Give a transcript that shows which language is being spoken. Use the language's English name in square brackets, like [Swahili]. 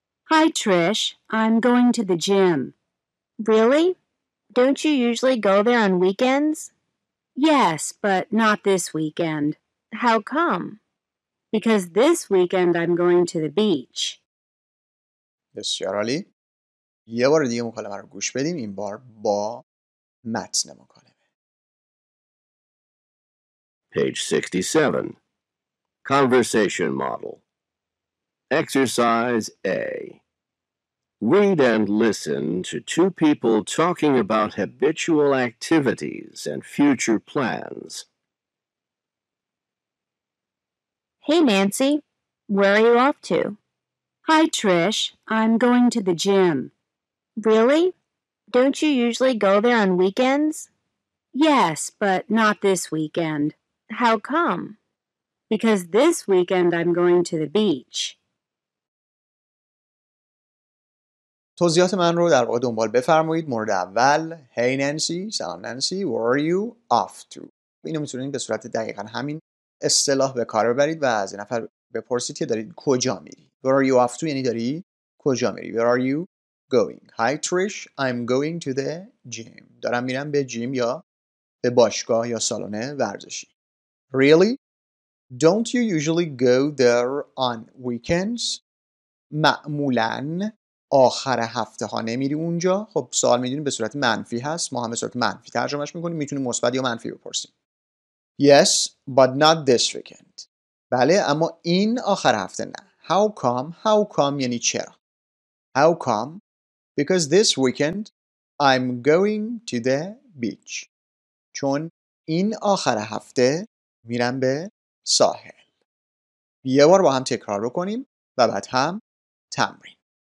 [English] Hi, Trish. I'm going to the gym. Really? Don't you usually go there on weekends? Yes, but not this weekend. How come? Because this weekend I'm going to the beach. [Persian] بسیار عالی. یه بار دیگه مکالمه رو گوش بدیم، این بار با متن مکالمه. [English] Page 67. Conversation model. Exercise A. Read and listen to two people talking about habitual activities and future plans. Hey, Nancy. Where are you off to? Hi, Trish. I'm going to the gym. Really? Don't you usually go there on weekends? Yes, but not this weekend. How come? Because this weekend I'm going to the beach. [Persian] توضیحات من رو در واقع دنبال بفرمایید. مورد اول، [English] Hey Nancy, سلام Nancy, where are you off to? [Persian] اینو میتونید به صورت دقیقا همین اصطلاح به کار ببرید و از این نفر بپرسید که دارید کجا میری. [English] Where are you off to؟ [Persian] یعنی داری کجا میری. [English] Where are you going? Hi Trish, I'm going to the gym. [Persian] دارم میرم به جیم یا به باشگاه یا سالن ورزشی. [English] Really? Don't you usually go there on weekends? [Persian] معمولاً آخر هفته ها نمیری اونجا؟ خب سوال میدونیم به صورت منفی هست. ما هم به صورت منفی ترجمهش میکنیم. میتونیم مثبت یا منفی بپرسیم. [English] Yes, but not this weekend. [Persian] بله، اما این آخر هفته نه. [English] How come? How come [Persian] یعنی چرا؟ [English] How come? Because this weekend I'm going to the beach. [Persian] چون این آخر هفته میرم به ساحل. یه بار با هم تکرار بکنیم و بعد هم تمرین.